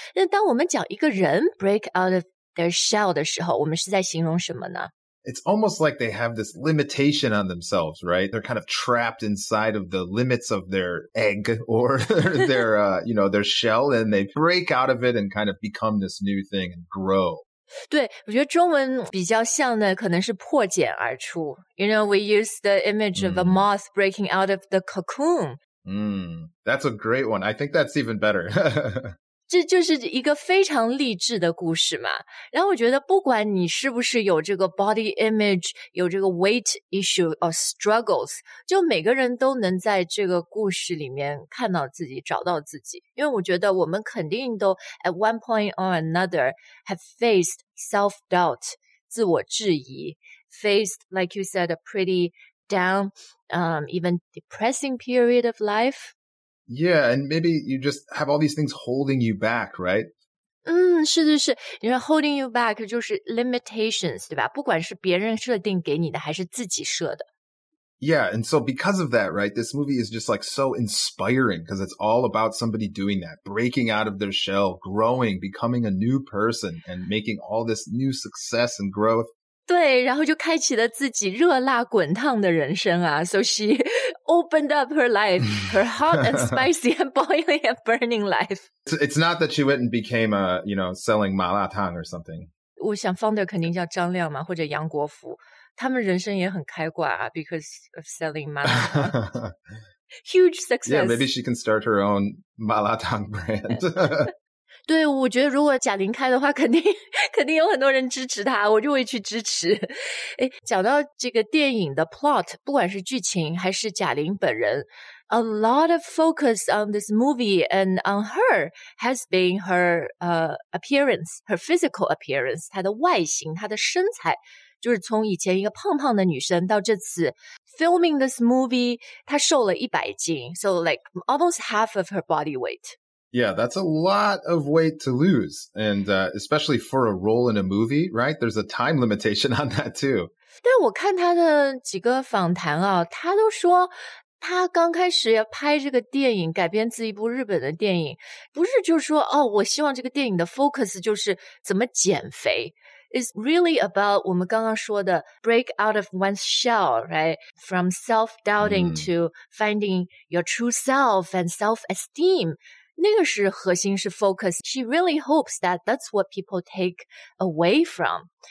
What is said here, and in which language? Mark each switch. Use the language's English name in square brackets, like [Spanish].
[Chinese] 那当我们讲一个人 [English] break out of their shell [Chinese] 的时候，我们是在形容什么呢？ [English] It's almost like they have this limitation on themselves, right? They're kind of trapped inside of the limits of their egg or their, you know, their shell, and they break out of it and kind of become this new thing and grow. [Chinese] 对，我觉得中文比较像的可能是破茧而出。 [English] You know, we use the image of a moth breaking out of the cocoon. That's a great one. I think that's even better. [Chinese] 这就是一个非常励志的故事嘛。然后我觉得不管你是不是有这个 [English] body image, [Chinese] 有这个 [English] weight issue or struggles, [Chinese] 就每个人都能在这个故事里面看到自己，找到自己。因为我觉得我们肯定都 [English] at one point or another have faced self-doubt, [Chinese] 自我质疑， [English] faced, like you said, a pretty down, even depressing period of life. Yeah, and maybe you just have all these things holding you back, right? [Chinese] 是是是，你说 [English] holding you back [Chinese] 就是 limitations, 对吧？不管是别人设定给你的还是自己设的。 [English] Yeah, and so because of that, right, this movie is just like so inspiring because it's all about somebody doing that, breaking out of their shell, growing, becoming a new person, and making all this new success and growth. [Chinese] 对，然后就开启了自己热辣滚烫的人生啊。 [English] So she opened up her life, her hot and spicy and boiling and burning life. It's not that she went and became a, you know, selling 麻辣烫 or something. [Chinese] 我想 founder 肯定叫张亮嘛，或者杨国福，他们人生也很开挂啊 ， [English] because of selling [Chinese] 麻辣烫。 [English] Huge success. Yeah, maybe she can start her own 麻辣烫 brand. [Chinese] 对，我觉得如果贾玲开的话，肯定有很多人支持她，我就会去支持。哎，讲到这个电影的 plot， 不管是剧情还是贾玲本人， [English] a lot of focus on this movie and on her has been her appearance, her physical appearance, [Chinese] 她的外形，她的身材，就是从以前一个胖胖的女生到这次 [English] filming this movie, [Chinese] 她瘦了100斤 [English] so like almost half of her body weight. Yeah, that's a lot of weight to lose, and especially for a role in a movie, right? There's a time limitation on that, too. [Chinese] 但我看他的几个访谈啊，他都说他刚开始要拍这个电影，改编自一部日本的电影，不是就是说，哦，我希望这个电影的 focus 就是怎么减肥。 [English] It's really about [Chinese] 我们刚刚说的 [English] break out of one's shell, right? From self-doubting to finding your true self and self-esteem. [Chinese] 那个是核心是 focus. [English] She really hopes that that's what people take away from.